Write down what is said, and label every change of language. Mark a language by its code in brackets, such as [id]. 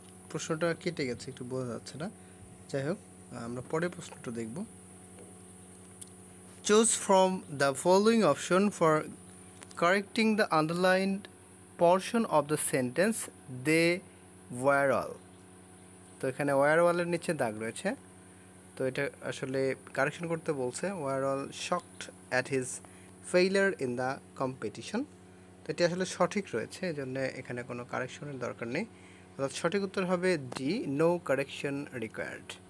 [bn] প্রশ্নটা কেটে গেছে একটু বোঝা যাচ্ছে না, যাই হোক আমরা পরে প্রশ্নটা দেখব। [en] Choose from the following option for correcting the underlined portion of the sentence. They were all. [bn] তো এখানে ওয়ারওয়ালের নিচে দাগ রয়েছে, তো এটা আসলে কারেকশন করতে বলছে। [en] ওয়ারওয়াল shocked at his failure in the competition. [bn] তো এটি আসলে সঠিক রয়েছে, এই জন্য এখানে কোনো কারেকশনের দরকার নেই। অর্থাৎ সঠিক উত্তর হবে ডি, [en] No correction required.